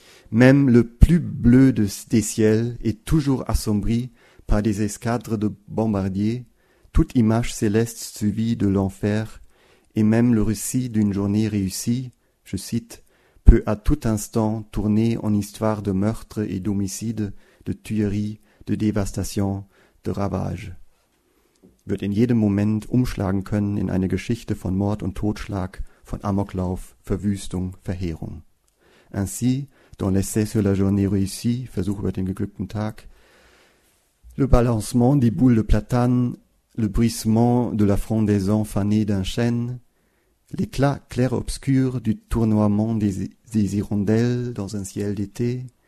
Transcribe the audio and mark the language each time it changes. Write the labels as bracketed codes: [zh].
[fr] Même le plus bleu des ciels est toujours assombri par des escadres de bombardiers, toute image céleste suivie de l'enfer. Et même le récit d'une journée réussie, je cite, peut à tout instant tourner en histoire de meurtre et d'homicide, de tuerie, de dévastation, de ravage. [de] Wird in jedem Moment umschlagen können in eine Geschichte von Mord und Totschlag, von Amoklauf, Verwüstung, Verheerung. [fr] Ainsi, dans l'essai sur la journée réussie, Versuch über den geglückten Tag, le balancement des boules de platane, le bruissement de la frondaison fanée d'un chêne, l'éclat clair-obscur du tournoiement des hirondelles dans un ciel d'été,